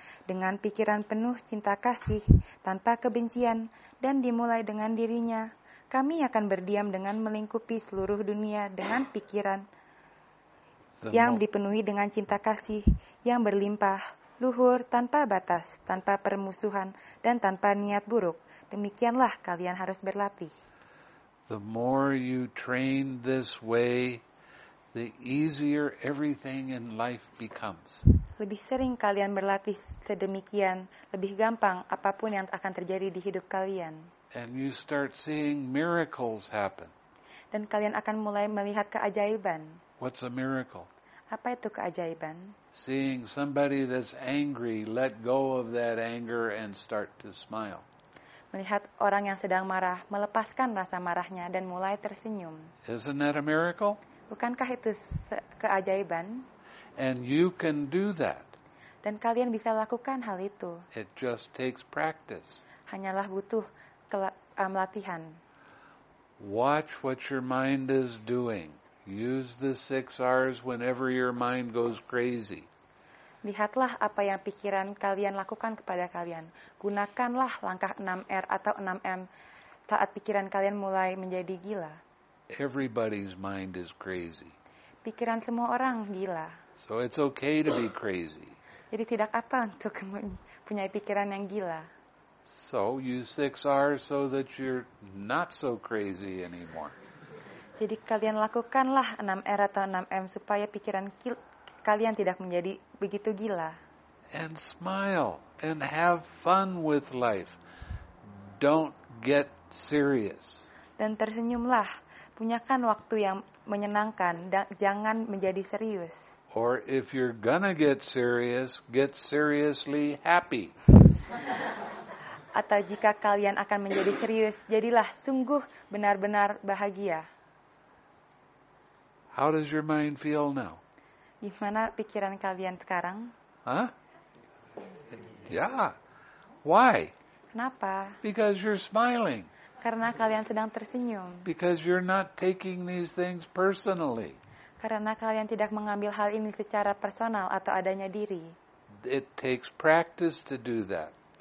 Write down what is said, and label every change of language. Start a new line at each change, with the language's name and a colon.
Indonesian: dengan pikiran penuh cinta kasih, tanpa kebencian, dan dimulai dengan dirinya, kami akan berdiam dengan melingkupi seluruh dunia dengan pikiran yang dipenuhi dengan cinta kasih, yang berlimpah, luhur, tanpa batas, tanpa permusuhan, dan tanpa niat buruk. Demikianlah kalian harus berlatih.
English: The more you train this way, the easier everything in life becomes.
Indonesian: Lebih sering kalian berlatih sedemikian, lebih gampang apapun yang akan terjadi di hidup kalian.
English: And you start seeing miracles happen.
Indonesian: Dan kalian akan mulai melihat keajaiban.
English: What's a miracle?
Indonesian: Apa itu keajaiban?
English: Seeing somebody that's angry let go of that anger and start to smile.
Indonesian: Melihat orang yang sedang marah melepaskan rasa marahnya dan mulai tersenyum.
English: Isn't that a miracle?
Indonesian: Bukankah itu keajaiban?
English: And you can do that.
Indonesian: Dan kalian bisa lakukan hal itu.
English: It just takes practice.
Indonesian: Hanyalah butuh latihan.
English: Watch what your mind is doing. Use the 6 R's whenever your mind goes crazy.
Indonesian: Lihatlah apa yang pikiran kalian lakukan kepada kalian. Gunakanlah langkah 6 R atau 6 M saat pikiran kalian mulai menjadi gila.
English: Everybody's mind is crazy.
Indonesian: Pikiran semua orang gila.
English: So it's okay to be crazy.
Indonesian: Jadi tidak apa untuk punya pikiran yang gila.
English: So use 6 R's so that you're not so crazy anymore.
Indonesian: Jadi kalian lakukanlah 6 R atau 6 M supaya pikiran kalian tidak menjadi begitu gila.
English: And smile and have fun with life. Don't get serious.
Indonesian: Dan tersenyumlah. Punyakan waktu yang menyenangkan dan jangan menjadi serius.
English: Or if you're gonna get seriously happy.
Indonesian: Atau jika kalian akan menjadi serius, jadilah sungguh benar-benar bahagia.
English: How does your mind feel now?
Indonesian: Gimana pikiran kalian sekarang?
English: Huh? Yeah. Why?
Indonesian: Kenapa?
English: Because you're smiling.
Indonesian: Karena kalian sedang tersenyum.
English: Because you're not taking these things personally.
Indonesian: Karena kalian tidak mengambil hal ini secara personal atau adanya diri.
English: It takes practice to do that.